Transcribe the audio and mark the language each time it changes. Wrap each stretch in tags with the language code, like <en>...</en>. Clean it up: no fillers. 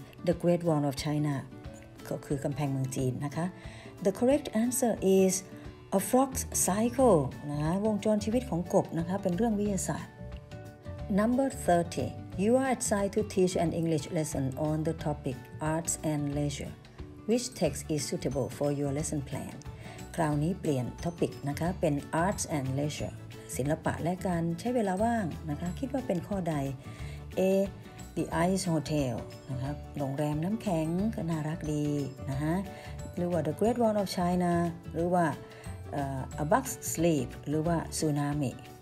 <en>The Great Wall of China</en> <th>ก็คือกำแพงเมืองจีนนะคะ</th> <en>The correct answer is A Frog's Cycle</en> <th>นะวงจรชีวิตของกบนะคะเป็นเรื่องวิทยาศาสตร์</th> <en>Number 30You are assigned to teach an English lesson on the topic arts and leisure. Which text is suitable for your lesson plan?</en> <th>คราวนี้เปลี่ยน topic นะคะเป็น arts and leisure. ศิลปะและการใช้เวลาว่างนะคะคิดว่าเป็นข้อใด A. The Ice Hotel นะครับโรงแรมน้ำแข็งก็น่ารักดีนะฮะหรือว่า The Great Wall of China หรือว่า A Bug's Sleep หรือว่า Tsunami</th>